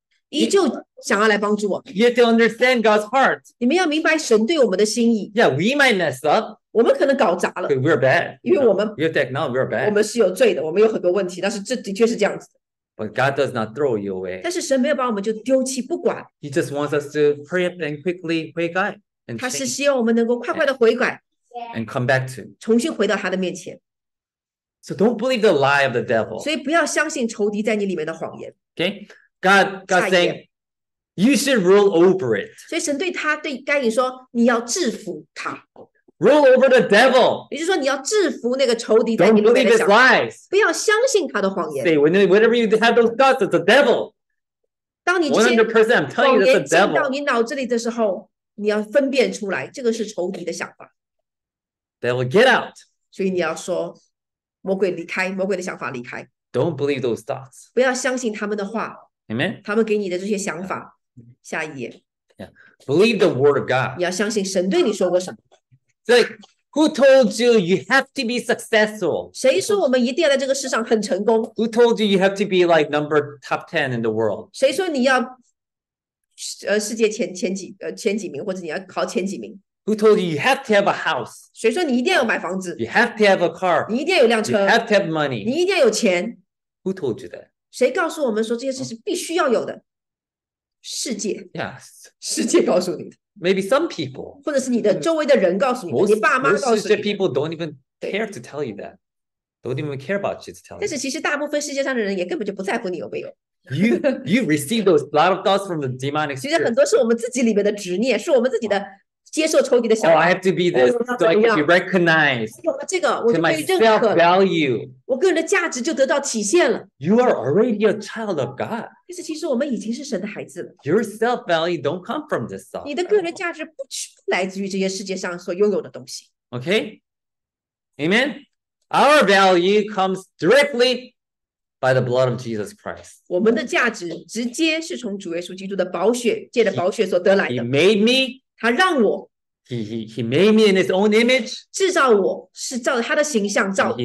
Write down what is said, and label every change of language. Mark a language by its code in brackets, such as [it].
[zh] 依旧想要来帮助我。 [en] You have to understand God's heart. [zh] 你们要明白神对我们的心意。 [en] Yeah, we might mess up. [zh] 我们可能搞砸了。 [en] We're bad. [zh] 因为我们 [en] you have to acknowledge we're bad. [zh] 我们是有罪的，我们有很多问题，但是这的确是这样子的。 [en] But God does not throw you away. [zh] 但是神没有把我们就丢弃不管。 [en] He just wants us to hurry up and quickly [zh] 悔改。他是希望我们能够快快的悔改。 [en] And come back to. [zh] 重新回到他的面前。 [en] So don't believe the lie of the devil. [zh] 所以不要相信仇敌在你里面的谎言。 [en] Okay. God saying, you should rule over it. [zh] 所以神对他对该隐说，你要制服他。 [en] Rule over the devil. [zh] 也就是说，你要制服那个仇敌。 [en] Don't believe his lies. [zh] 不要相信他的谎言。 [en] Say whenever you have those thoughts, it's the devil. [zh] 当你 [en] 100%, I'm telling you, it's the devil. [zh] 谎言进到你脑子里的时候，你要分辨出来，这个是仇敌的想法。 [en] Devil, get out. [zh] 所以你要说，魔鬼离开，魔鬼的想法离开。 [en] Don't believe those thoughts. [zh] 不要相信他们的话。 [en] Amen. [zh] 他们给你的这些想法，下一页。 [en] Yeah, believe the word of God. [zh] 你要相信神对你说过什么。 [en] So, who told you you have to be successful? [zh] 谁说我们一定要在这个世上很成功 [en] ？Who told you you have to be like number top 10 in the world? [zh] 谁说你要世界前几名，或者你要考前几名 [en] ？Who told you you have to have a house? [zh] 谁说你一定要买房子 [en] ？You have to have a car. [zh] 你一定要有辆车。 [en] You have to have money. [zh] 你一定要有钱。 [en] Who told you that? [zh] 谁告诉我们说这些事是必须要有的？世界 [en] ，yes， [zh] 世界告诉你的。 [en] Maybe some people， [zh] 或者是你的周围的人告诉你的， [en] most, [zh] 你爸妈告诉你的。 [en] Most people don't even care to tell you that. Don't even care about you to tell you. [zh] 但是其实大部分世界上的人也根本就不在乎你有没有。 [en] You receive those lot of thoughts from the demonic spirit. [zh] 其实很多是我们自己里面的执念，是我们自己的接受仇敌的想法。 [en] Oh, I have to be this, so I can be recognized. [zh] 有了这个，我就被认可。 [en] To my self-value, [zh] 我个人的价值就得到体现了。 [en] You are already a child of God. [zh] 但是其实我们已经是神的孩子了。 [en] Your self-value don't come from this stuff. [zh] 你的个人价值不来自于这些世界上所拥有的东西。 [en] Okay, amen. Our value comes directly by the blood of Jesus Christ. [zh] 我们的价值直接是从主耶稣基督的宝血借着宝血所得来的。 [en] He made me. [zh] 他让我。 [en] He made me in His own image. [zh] 制造我是照他的形象造。